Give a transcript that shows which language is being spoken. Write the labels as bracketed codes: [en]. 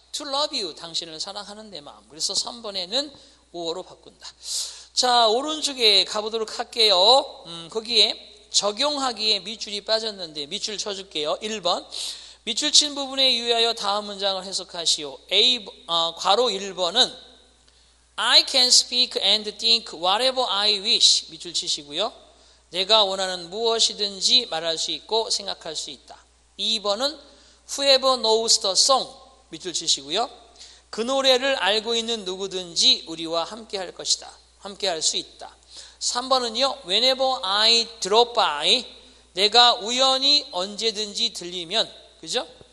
[en] To love you, [ko] 당신을 사랑하는 내 마음. 그래서 3번에는 5어로 바꾼다. 자, 오른쪽에 가보도록 할게요. 거기에 적용하기에 밑줄이 빠졌는데 밑줄 쳐줄게요. 1번, 밑줄 친 부분에 유의하여 다음 문장을 해석하시오. [en] A, [ko] 괄호 1번은 [en] I can speak and think whatever I wish. [ko] 밑줄 치시고요. 내가 원하는 무엇이든지 말할 수 있고 생각할 수 있다. [en] 2번은 Whoever knows the song [ko] 밑줄 치시고요. 그 노래를 알고 있는 누구든지 우리와 함께 할 것이다. 함께 할 수 있다. 3번은요. [en] Whenever I drop by [ko] 내가 우연히 언제든지 들리면 그죠?